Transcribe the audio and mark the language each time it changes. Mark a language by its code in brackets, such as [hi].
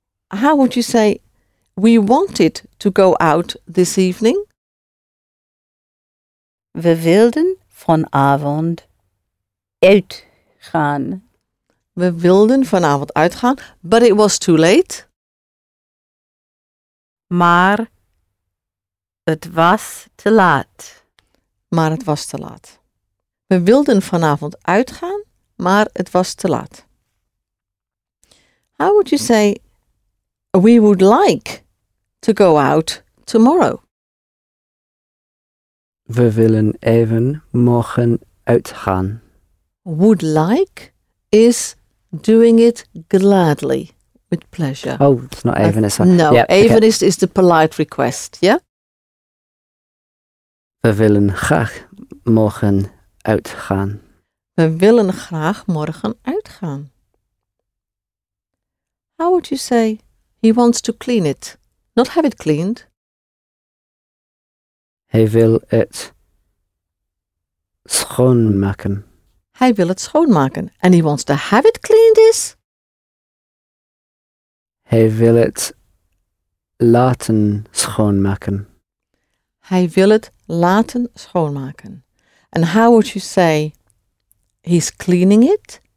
[en] How would you say, we wanted to go out this evening? [nl] We wilden vanavond uitgaan. We wilden vanavond uitgaan, [en] but it was too late. [nl] Maar het was te laat. Maar het was te laat. We wilden vanavond uitgaan, maar het was te laat. [en] How would you say, we would like to go out tomorrow? [nl] We willen even morgen uitgaan. [en] Would like is doing it gladly, with pleasure. Oh, it's not even. It's no, yep, even okay. Is the polite request, yeah? [nl] We willen graag morgen uitgaan. We willen graag morgen uitgaan. [en] How would you say he wants to clean it? Not have it cleaned. [nl] Hij wil het schoonmaken. Hij wil het schoonmaken. [en] And he wants to have it cleaned is? [nl] Hij wil het laten schoonmaken. Hij wil het laten schoonmaken. [en] And how would you say, he's cleaning it?